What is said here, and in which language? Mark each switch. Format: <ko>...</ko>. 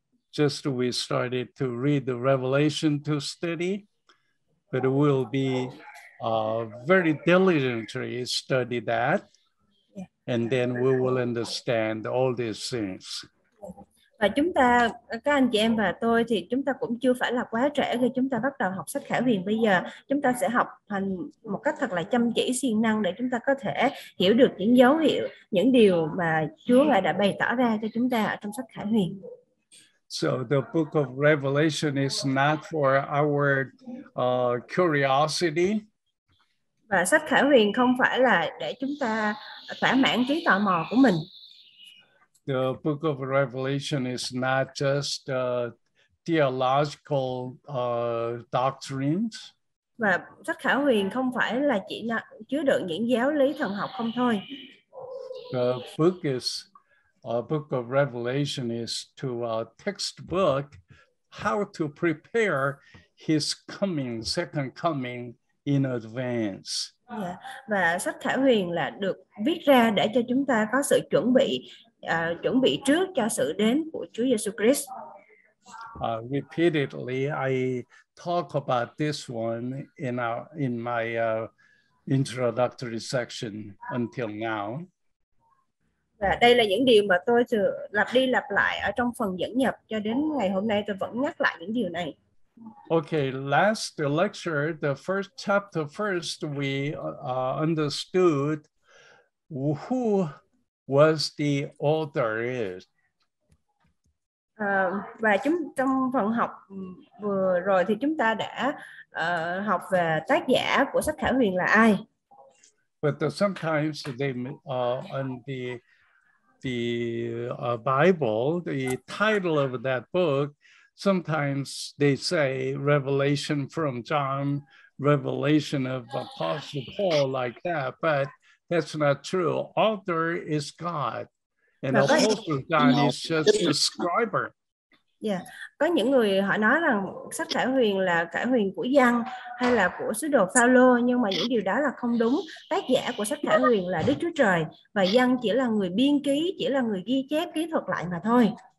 <en>Just we started to read the Revelation to study, but it will be very diligently study that, and then we will understand all these things.</en> <vi>Và chúng ta, các anh chị em và tôi thì chúng ta cũng chưa phải là quá trẻ khi chúng ta bắt đầu học sách Khải Huyền bây giờ. Chúng ta sẽ học hành một cách thật là chăm chỉ, siêng năng để chúng ta có thể hiểu được những dấu hiệu, những điều mà Chúa Ngài đã bày tỏ ra cho chúng ta ở trong sách Khải Huyền.</vi> <en>So the book of Revelation is not for our curiosity.</en> <vi>Và sách Khải Huyền không phải là để chúng ta thỏa mãn trí tò mò của mình.</vi> <en>The book of Revelation is not just theological doctrines.</en> <vi>Và sách Khải Huyền không phải là chỉ chứa đựng những giáo lý thần học không thôi.</vi> <en>The book is a book of Revelation is to a textbook how to prepare his coming, second coming in advance. Yeah.</en> <vi>Và sách Khải Huyền là được viết ra để cho chúng ta có sự chuẩn bị trước cho sự đến của Chúa Giêsu Christ.</vi> <en>Repeatedly, I talk about this one in my introductory section until now.</en> <vi>Và đây là những điều mà tôi sự lặp đi lặp lại ở trong phần dẫn nhập cho đến ngày hôm nay tôi vẫn nhắc lại những điều này.</vi> <en>Okay, last lecture, the first chapter first, we understood who was the author is.</en> <vi>Và chúng trong phần học vừa rồi thì chúng ta đã học về tác giả của sách Khải Huyền là ai.</vi> <en>But sometimes they on the Bible, the title of that book, sometimes they say Revelation from John, Revelation of Apostle Paul, like that, but that's not true. Author is God, and Apostle John is just a scriber. Yeah.</en> <vi>Có những người họ nói rằng sách Khải Huyền là Khải Huyền của Giăng hay là của sứ đồ Phaolô, nhưng mà những điều đó là không đúng. Tác giả của sách Khải Huyền là Đức Chúa Trời, và Giăng chỉ là người biên ký, chỉ là người ghi chép, ký thuật lại mà thôi.</vi>